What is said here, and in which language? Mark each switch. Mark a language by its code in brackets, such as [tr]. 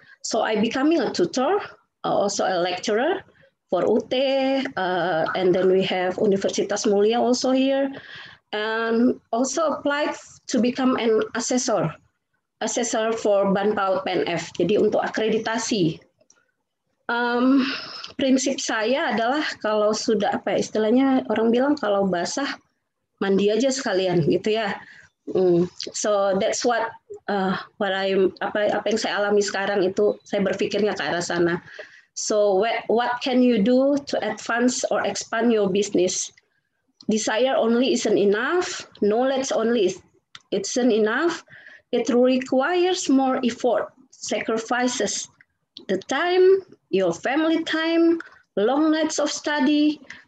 [en] So I becoming a tutor, also a lecturer for UT, and then we have Universitas Mulia also here, and also applied to become an assessor for BanPAUD PNF. [id] Jadi untuk akreditasi. Prinsip saya adalah kalau sudah apa istilahnya orang bilang kalau basah mandi aja sekalian gitu ya. [en] So that's what [id] yang saya alami sekarang itu saya berpikirnya ke arah sana. [en] So what can you do to advance or expand your business? Desire only isn't enough. Knowledge only isn't enough. It requires more effort, sacrifices, the time, your family time, long nights of study,